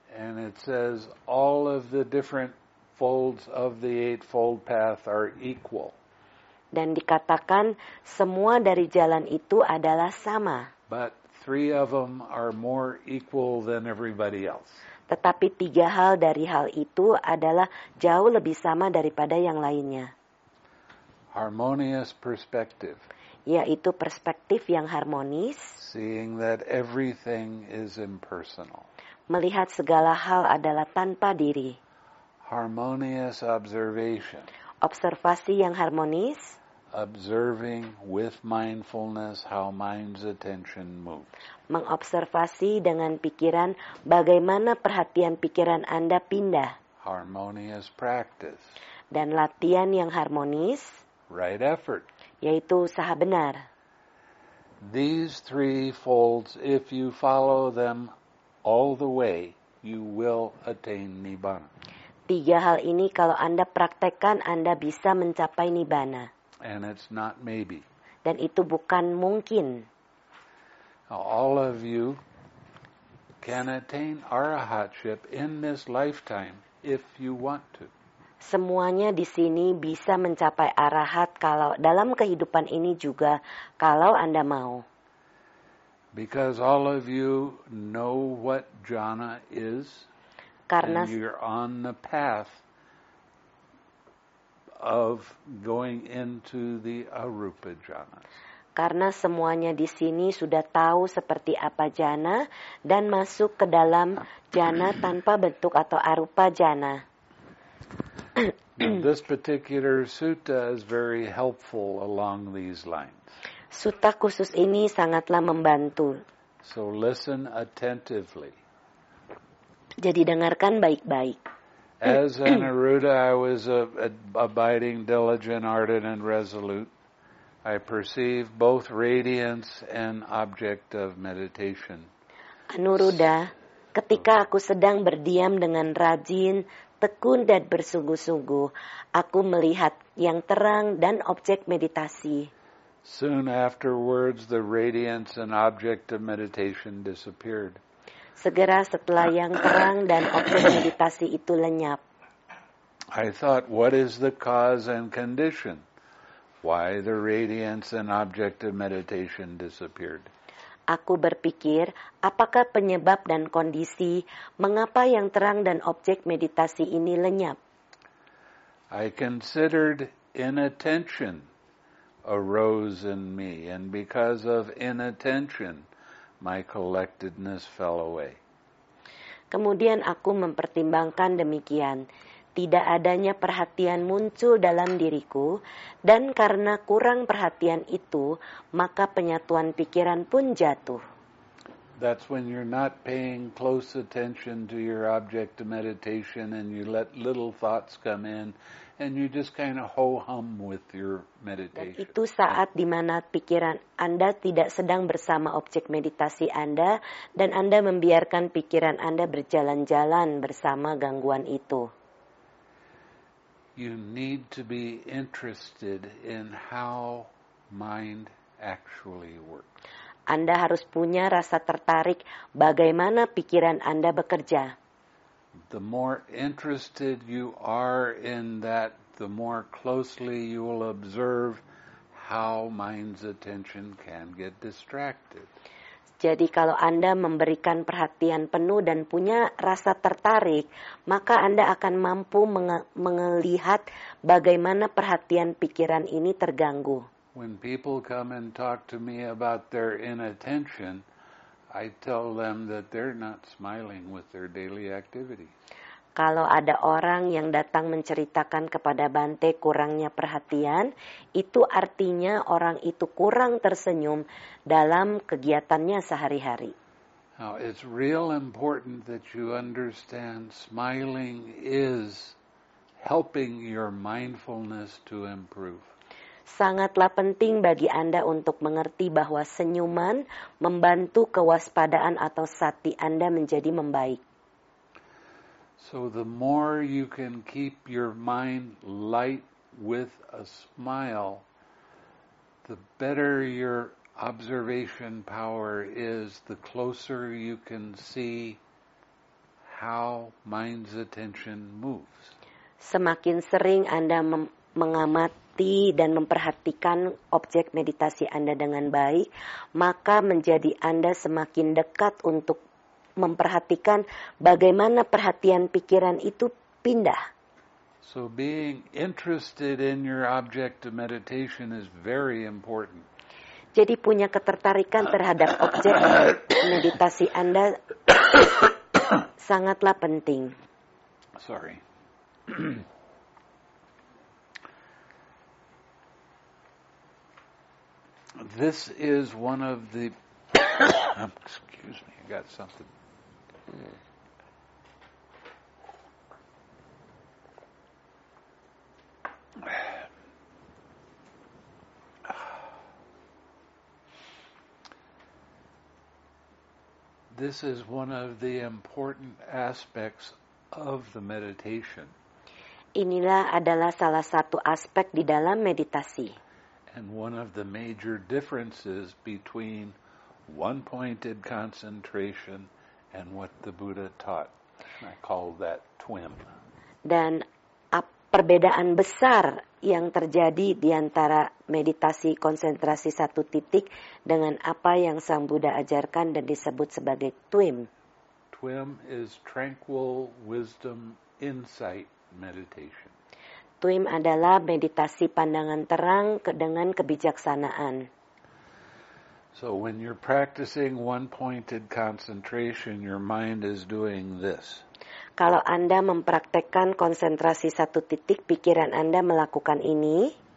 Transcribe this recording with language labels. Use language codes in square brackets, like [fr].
[en] And it says all of the different folds of the Eightfold Path are equal. [id] Dan dikatakan semua dari jalan itu adalah sama. [en] But three of them are more equal than everybody else. [id] Tetapi tiga hal dari hal itu adalah jauh lebih sama daripada yang lainnya. [en] Harmonious perspective. [id] Yaitu perspektif yang harmonis. [en] Seeing that everything is impersonal. [id] Melihat segala hal adalah tanpa diri. [en] Harmonious observation. [id] Observasi yang harmonis. [en] Observing with mindfulness how mind's attention moves. [id] Mengobservasi dengan pikiran bagaimana perhatian pikiran Anda pindah. [en] Harmonious practice. [id] Dan latihan yang harmonis. [en] Right effort. [id] Yaitu usaha benar. [en] These three folds, if you follow them all the way, you will attain nibbana. [id] Tiga hal ini kalau Anda praktekkan, Anda bisa mencapai nibbana. [en] And it's not maybe. [id] Dan itu bukan mungkin. [en] All of you can attain arahatship in this lifetime if you want to. [id] Semuanya di sini bisa mencapai arahat kalau dalam kehidupan ini juga kalau Anda mau. [en] Because all of you know what jhana is. [id] Karena [en] and you're on the path of going into the arupa jhana. [id] Karena semuanya di sini sudah tahu seperti apa jhana dan masuk ke dalam jhana tanpa bentuk atau arupa jhana. [en] This particular sutta is very helpful along these lines. [id] Sutta khusus ini sangatlah membantu. [en] So listen attentively. [id] Jadi dengarkan baik-baik. [en] As an Aruda, I was abiding, diligent, ardent, and resolute. I perceive both radiance and object of meditation. [id] Anuruddha, ketika aku sedang berdiam dengan rajin, tekun, dan bersungguh-sungguh, aku melihat yang terang dan objek meditasi. [en] Soon afterwards, the radiance and object of meditation disappeared. [id] Segera setelah yang terang dan objek meditasi itu lenyap. [en] I thought, what is the cause and condition? Why the radiance and object of meditation disappeared? [id] Aku berpikir, apakah penyebab dan kondisi mengapa yang terang dan objek meditasi ini lenyap? [en] I considered inattention arose in me, and because of inattention, my collectedness fell away. [id] Kemudian aku mempertimbangkan demikian. Tidak adanya perhatian muncul dalam diriku, dan karena kurang perhatian itu, maka penyatuan pikiran pun jatuh. [en] That's when you're not paying close attention to your object of meditation and you let little thoughts come in and you just kind of ho-hum with your meditation. [id] Dan itu saat di mana pikiran Anda tidak sedang bersama objek meditasi Anda dan Anda membiarkan pikiran Anda berjalan-jalan bersama gangguan itu. [en] You need to be interested in how mind actually works. [id] Anda harus punya rasa tertarik bagaimana pikiran Anda bekerja. [en] The more interested you are in that, the more closely you will observe how mind's attention can get distracted. [id] Jadi kalau Anda memberikan perhatian penuh dan punya rasa tertarik, maka Anda akan mampu melihat bagaimana perhatian pikiran ini terganggu. [en] When people come and talk to me about their inattention, I tell them that they're not smiling with their daily activity. [id] Kalau ada orang yang datang menceritakan kepada Bante kurangnya perhatian, itu artinya orang itu kurang tersenyum dalam kegiatannya sehari-hari. [en] Now, it's real important that you understand smiling is helping your mindfulness to improve. [id] Sangatlah penting bagi Anda untuk mengerti bahwa senyuman membantu kewaspadaan atau sati Anda menjadi membaik. [en] So the more you can keep your mind light with a smile, the better your observation power is, the closer you can see how mind's attention moves. [id] Semakin sering Anda mengamati dan memperhatikan objek meditasi Anda dengan baik, maka menjadi Anda semakin dekat untuk memperhatikan bagaimana perhatian pikiran itu pindah. [en] So being interested in your object of meditation is very important. [id] Jadi punya ketertarikan terhadap objek meditasi Anda sangatlah penting. [en] Sorry. This is one of the excuse me, I got something. This is one of the important aspects of the meditation. [id] Inilah adalah salah satu aspek di dalam meditasi. [en] And one of the major differences between one-pointed concentration and what the Buddha taught. I call that TWIM. [id] Dan perbedaan besar yang terjadi di antara meditasi konsentrasi satu titik dengan apa yang Sang Buddha ajarkan dan disebut sebagai TWIM. [en] TWIM is tranquil wisdom insight meditation. [id] TWIM adalah meditasi pandangan terang dengan kebijaksanaan. [en] So when you're practicing one-pointed concentration, your mind is doing this. [id] Kalau Anda mempraktekkan konsentrasi satu titik, pikiran Anda melakukan ini.